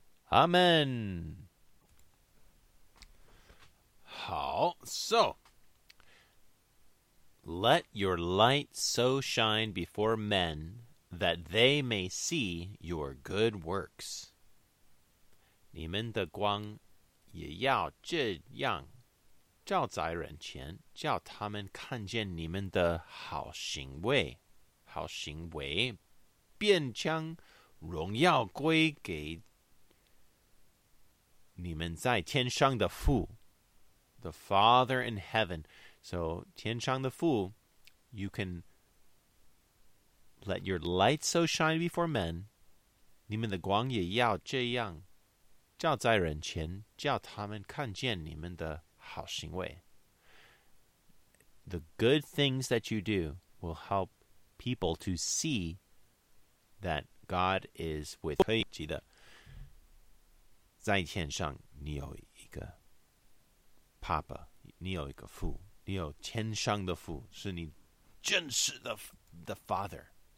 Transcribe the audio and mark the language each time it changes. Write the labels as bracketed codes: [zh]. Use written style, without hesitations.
[en] Amen. [zh] 好, [en] so, let your light so shine before men, that they may see your good works. [zh] 你们的光也要这样照在人前，叫他们看见你们的好行为，好行为便将荣耀归给你们在天上的父 [en] The Father in heaven. So, [zh] 天上的父 [en] You can let your light so shine before men. [zh] 你们的光也要这样照在人前，叫他们看见你们的好行为。 [en] The good things that you do will help people to see that God is with you. [zh] 记得，在天上你有一个爸爸，你有一个父，你有天上的父，是你真实的 [en] the Father.